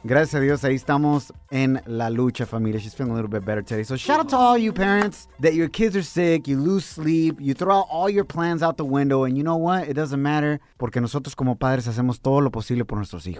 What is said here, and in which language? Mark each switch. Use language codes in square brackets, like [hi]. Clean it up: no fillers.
[es] Gracias a Dios, ahí estamos en la lucha, familia. [en] She's feeling a little bit better today. So shout out to all you parents that your kids are sick, you lose sleep, you throw out all your plans out the window, and you know what? It doesn't matter [es] porque nosotros como padres hacemos todo lo posible por nuestros hijos.